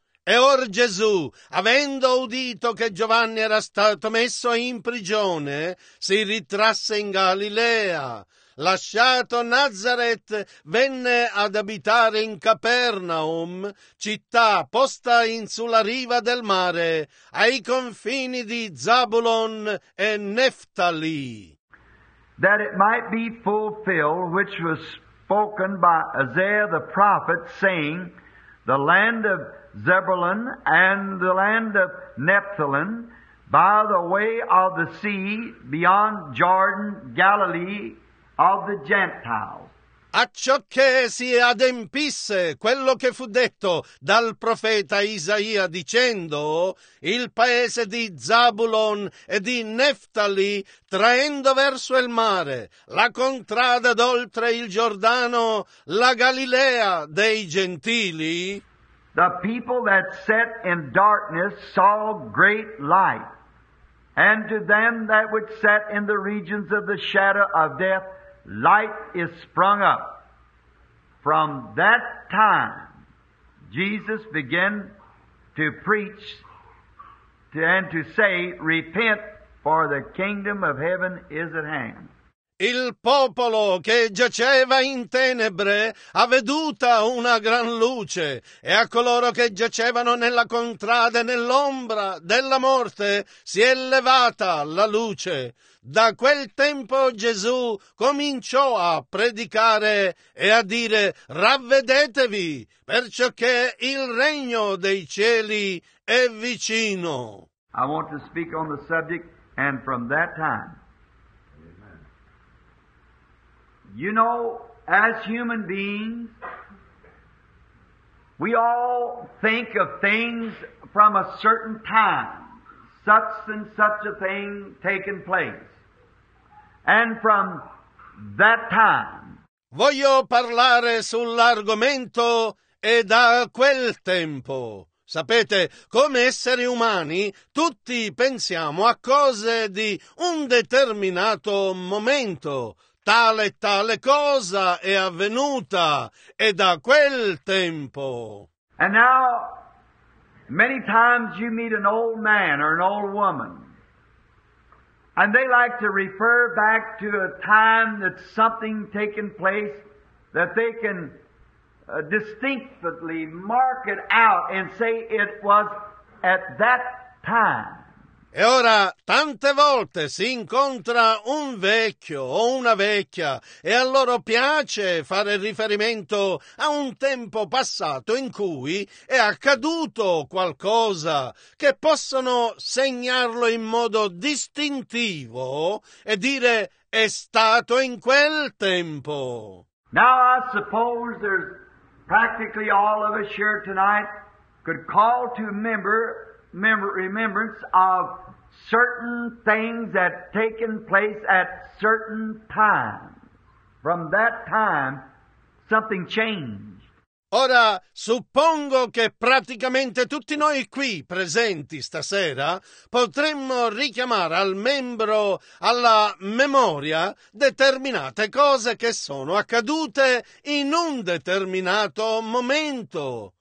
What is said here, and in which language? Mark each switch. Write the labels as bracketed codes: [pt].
[it] Or Gesù, avendo udito che Giovanni era stato messo in prigione, si ritrasse in Galilea. Lasciato Nazaret, venne ad abitare in Capernaum, città posta in sulla riva del mare, ai confini di Zabulon e Neftali. [en] That it might be fulfilled, which was spoken by Isaiah the prophet, saying, the land of Zebulun and the land of Naphtali, by the way of the sea, beyond Jordan, Galilee of the Gentiles. [it] A ciò che si adempisse quello che fu detto dal profeta Isaia dicendo, il paese di Zabulon e di Neftali, traendo verso il mare, la contrada d'oltre il Giordano, la Galilea dei Gentili. [en] The people that sat in darkness saw great light, and to them that which sat in the regions of the shadow of death, light is sprung up. From that time, Jesus began to preach and to say, repent, for the kingdom of heaven is at hand. [it] Il popolo che giaceva in tenebre ha veduta una gran luce e a coloro che giacevano nella contrada e nell'ombra della morte si è levata la luce. Da quel tempo Gesù cominciò a predicare e a dire ravvedetevi perciò che il regno dei cieli è vicino. [en] I want to speak on the subject and from that time. You know, as human beings, we all think of things from a certain time. such and such a thing taken place. And from that time, [it] voglio parlare sull'argomento e da quel tempo. Sapete, come esseri umani, tutti pensiamo a cose di un determinato momento. Tale e tale cosa è avvenuta, e da quel tempo. [en] And now, many times you meet an old man or an old woman, and they like to refer back to a time that something taken place that they can distinctly mark it out and say it was at that time. [it] E ora, tante volte si incontra un vecchio o una vecchia e a loro piace fare riferimento a un tempo passato in cui è accaduto qualcosa, che possono segnarlo in modo distintivo e dire è stato in quel tempo. [en] Now I suppose there's practically all of us here tonight could call to remembrance of certain things that taken place at certain times. From that time, something changed. [it] Ora, suppongo che praticamente tutti noi qui presenti stasera potremmo richiamare al membro, alla memoria, determinate cose che sono accadute in un determinato momento.